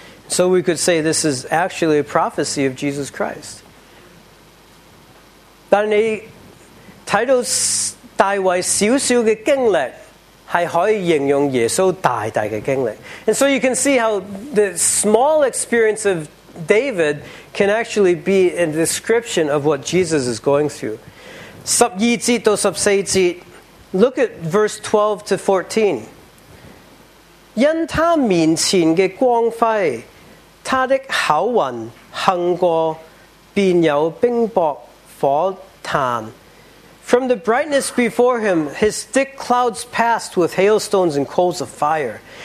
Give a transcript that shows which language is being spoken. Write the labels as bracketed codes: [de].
[en] So we could say this is actually a prophecy of Jesus Christ. [zh] 但你看到大卫小小的经历， 是可以形容耶稣大大的经历。 [en] And so you can see how the small experience of David can actually be a description of what Jesus is going through. [zh] 十二节到十四节， [en] look at verse 12-14. [zh] 因他面前的光辉，他的口吻行过，便有冰雹火炭。 [en] From the brightness before him, his thick clouds passed with hailstones and coals of fire.